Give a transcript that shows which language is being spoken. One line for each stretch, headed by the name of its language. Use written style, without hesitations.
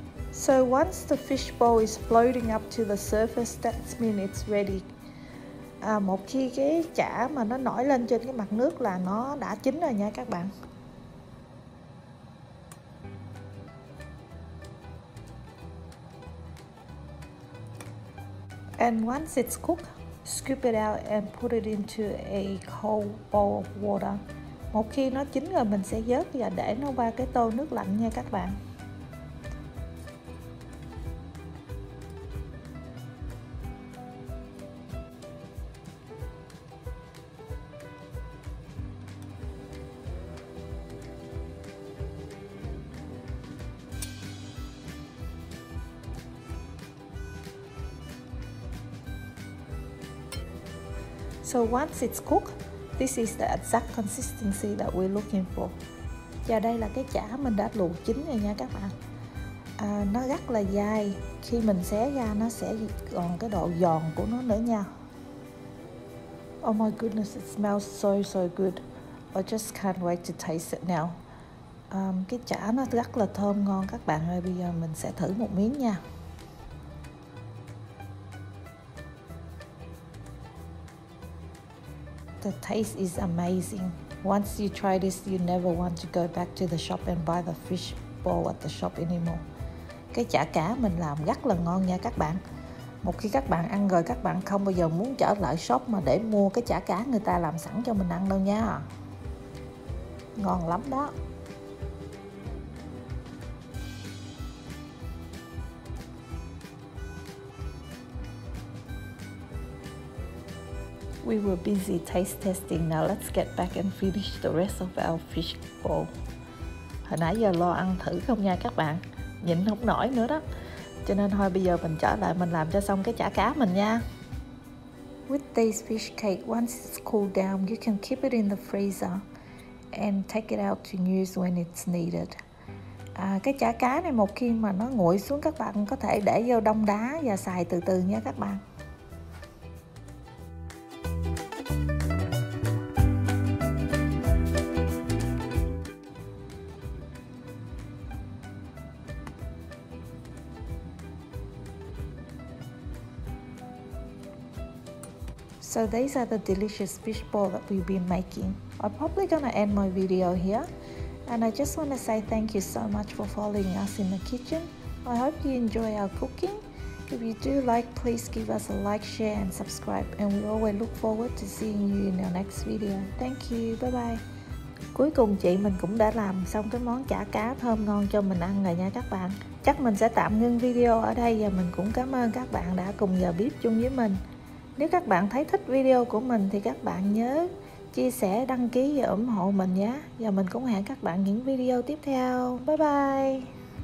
English: So once the fish bowl is floating up to the surface, that means it's ready.
Vietnamese: Một khi cái chả mà nó nổi lên trên cái mặt nước là nó đã chín rồi nha các bạn.
English: And once it's cooked, scoop it out and put it into a cold bowl of water.
Vietnamese: Một khi nó chín rồi mình sẽ vớt và để nó qua cái tô nước lạnh nha các bạn.
English: So once it's cooked, this is the exact consistency that we're looking for.
Vietnamese: Và đây là cái chả mình đã luộc chín rồi nha các bạn. Nó rất là dai, khi mình xé ra nó sẽ còn cái độ giòn của nó nữa nha.
English: Oh my goodness, it smells so so good. I just can't wait to taste it now.
Vietnamese: Cái chả nó rất là thơm ngon các bạn ơi, bây giờ mình sẽ thử một miếng nha.
English: The taste is amazing. Once you try this, you never want to go back to the shop and buy the fish ball at the shop anymore.
Vietnamese: Cái chả cá mình làm rất là ngon nha các bạn. Một khi các bạn ăn rồi, các bạn không bao giờ muốn trở lại shop mà để mua cái chả cá người ta làm sẵn cho mình ăn đâu nha. Ngon lắm đó.
English: We were busy taste testing, now let's get back and finish the rest of our fish bowl.
Vietnamese: Hồi nãy giờ lo ăn thử không nha các bạn, nhịn không nổi nữa đó. Cho nên thôi bây giờ mình trở lại mình làm cho xong cái chả cá mình nha.
English: With this fish cake, once it's cooled down, you can keep it in the freezer and take it out to use when it's needed.
Vietnamese: Cái chả cá này một khi mà nó nguội xuống các bạn có thể để vô đông đá và xài từ từ nha các bạn.
English: So these are the delicious fish ball that we've been making. I'm probably gonna end my video here. And I just wanna say thank you so much for following us in the kitchen. I hope you enjoy our cooking. If you do like, please give us a like, share and subscribe. And we always look forward to seeing you in our next video. Thank you, bye bye.
Vietnamese: Cuối cùng chị mình cũng đã làm xong cái món chả cá thơm ngon cho mình ăn rồi nha các bạn. Chắc mình sẽ tạm ngưng video ở đây và mình cũng cảm ơn các bạn đã cùng giờ bếp chung với mình. Nếu các bạn thấy thích video của mình thì các bạn nhớ chia sẻ, đăng ký và ủng hộ mình nhé. Và mình cũng hẹn các bạn những video tiếp theo. Bye bye!